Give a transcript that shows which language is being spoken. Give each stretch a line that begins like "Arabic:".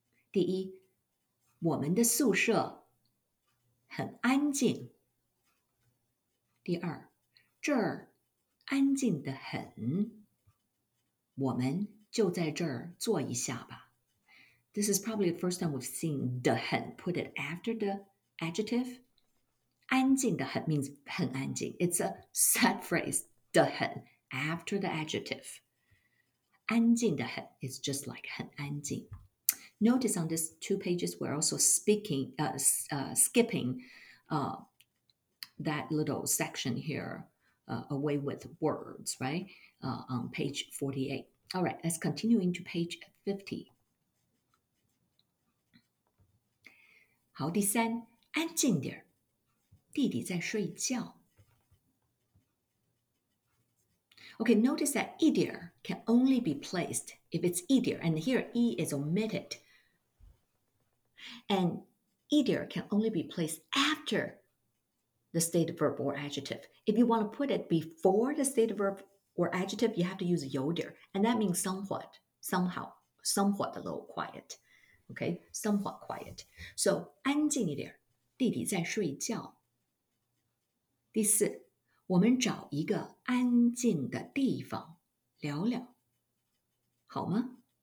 Chinese: 第一, 我们的宿舍很安静. 第二, 这儿安静得很. 我们就在这儿坐一下吧.
English: This is probably the first time we've seen 的很, put it after the adjective.
Chinese: 安静的很 means 很安静.
English: It's a set phrase, 的很, after the adjective. 安静的很 is just like 很安静.Notice on these two pages, we're also skipping that little section here away with words, right? On page 48. All right, let's continue into page 50.
Chinese: 好,第三, 安静点, 弟弟在睡觉.
English: Okay, notice that 一点 can only be placed if it's 一点, and here 一 is omitted. And 一点 can only be placed after the stated verb or adjective. If you want to put it before the stated verb or adjective, you have to use 有点, and that means somewhat, somehow, somewhat a little quiet. Okay, somewhat quiet.
Chinese: So 安静一点, 弟弟在睡觉.第四, 我们找一个安静的地方聊聊, 好吗?